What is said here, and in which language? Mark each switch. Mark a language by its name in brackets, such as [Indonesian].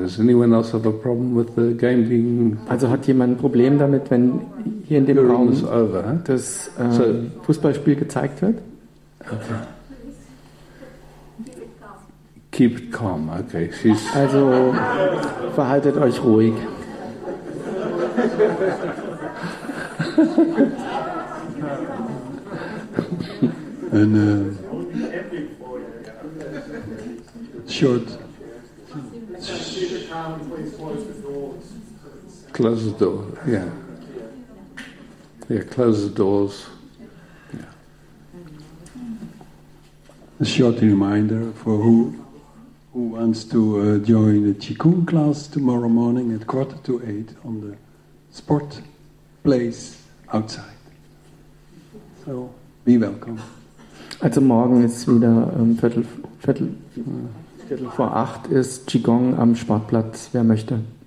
[English] Does anyone else have a problem with the game being? [German] Also, hat jemand ein Problem damit, wenn hier in dem [English] Your [German] Raum [English] is over, huh? [German] Das Fußballspiel gezeigt wird? [English] Okay. Keep it calm. Okay. She's [German] also verhaltet euch ruhig. [English] And, short. Close the door. Yeah. Yeah. Close the doors. Yeah. A short reminder for who wants to join the Qigong class tomorrow morning at 7:45 on the sport place outside. So be welcome. [German] Also morgen ist wieder Viertel. Viertel vor 8 ist Qigong am Sportplatz, wer möchte.